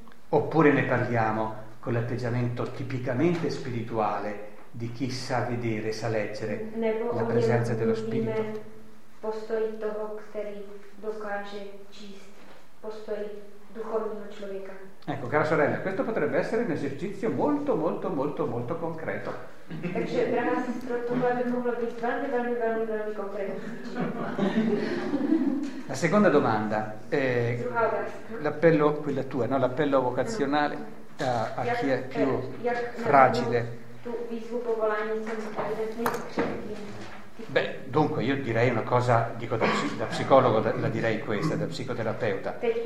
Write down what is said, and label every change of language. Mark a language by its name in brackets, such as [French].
[Italian] Oppure ne parliamo con l'atteggiamento tipicamente spirituale di chi sa vedere, sa leggere la presenza dello Spirito? [Czech] Postoj toho, který dokáže číst, postoj duchovního člověka. [Italian] Ecco, cara sorella, questo potrebbe essere un esercizio molto, molto, molto, molto concreto. [Czech] Takže, drahá sestro, tohle by mohlo být velmi, velmi, velmi, velmi konkrétní. [Italian] La seconda domanda. [Czech] Druhá otázka. [Italian] L'appello, quella tua, no? L'appello vocazionale a chi è più fragile. [Czech] Tu výzvu povolání jsem evidentně křivý. [Italian] Beh, dunque io direi una cosa, dico da psicologo, la direi questa, da psicoterapeuta.